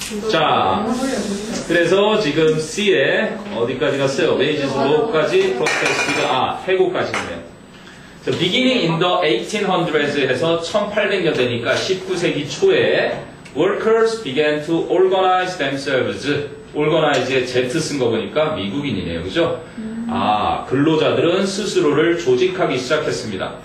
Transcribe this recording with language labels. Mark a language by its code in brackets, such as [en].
[ko] 자, 그래서 지금 C에 어디까지가 써요? 메이지스 로까지 프로테스티드, 아 해고까지 있네요. [en] The beginning in the 1800s에서 [ko] 1800년대니까 19세기 초에 [en] workers began to organize themselves. [ko] organize에 Z 쓴거 보니까 미국인이네요. 그죠? 아, 근로자들은 스스로를 조직하기 시작했습니다.